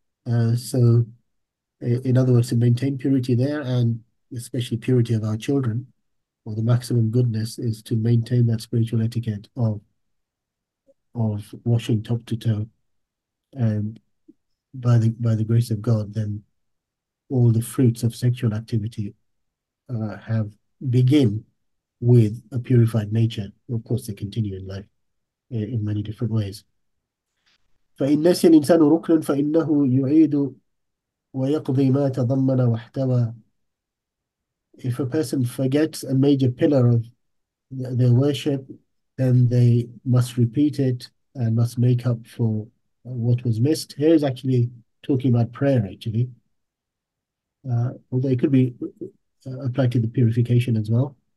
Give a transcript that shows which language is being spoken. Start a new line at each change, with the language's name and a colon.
English: So, in other words, to maintain purity there, and especially purity of our children, or the maximum goodness, is to maintain that spiritual etiquette of washing top to toe. And by the grace of God, then all the fruits of sexual activity have begin with a purified nature. Of course, they continue in life in many different ways.
Arabic: فإن نسي الإنسان ركنا فإنه يعيد ويقضي ما تضمن واحتوى.
English: If a person forgets a major pillar of their worship, then they must repeat it and must make up for what was missed. Here is actually talking about prayer, actually. Although it could be applied to the purification as well.